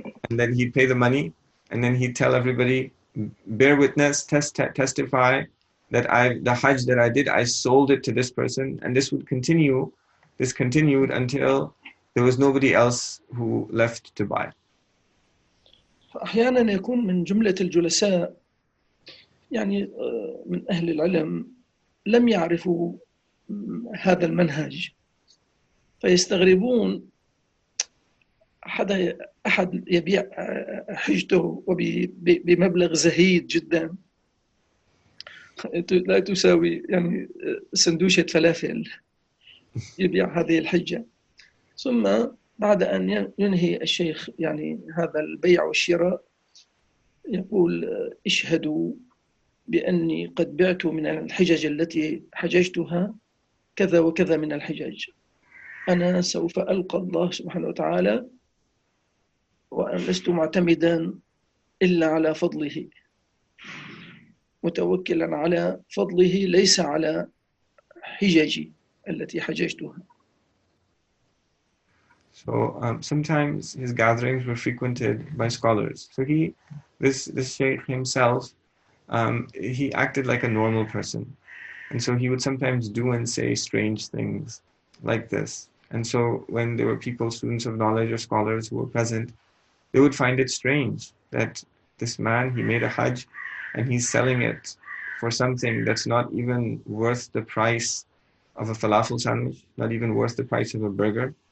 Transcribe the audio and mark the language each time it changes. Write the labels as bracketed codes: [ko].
[en] And then he'd pay the money, and then he'd tell everybody, bear witness, testify that the hajj that I did, I sold it to this person. And this would continue, this continued until there was nobody else who left to buy. [ar] فأحيانا يكون من جملة الجلساء يعني من أهل العلم لم يعرفوا هذا المنهج، فيستغربون أحد يبيع حجته بمبلغ زهيد جدا لا تساوي يعني سندوشة فلافل، يبيع هذه الحجة. ثم بعد أن ينهي الشيخ يعني هذا البيع والشراء، يقول اشهدوا بأني قد بعت من الحجج التي حججتها كذا وكذا من الحجج، أنا سوف ألقى الله سبحانه وتعالى وأنا لست معتمدا إلا على فضله، متوكلا على فضله ليس على حججي التي حججتها. [en] So sometimes his gatherings were frequented by scholars. So he, this sheikh himself, he acted like a normal person. And so he would sometimes do and say strange things like this. And so when there were people, students of knowledge or scholars who were present, they would find it strange that this man, he made a hajj and he's selling it for something that's not even worth the price of a falafel sandwich, not even worth the price of a burger.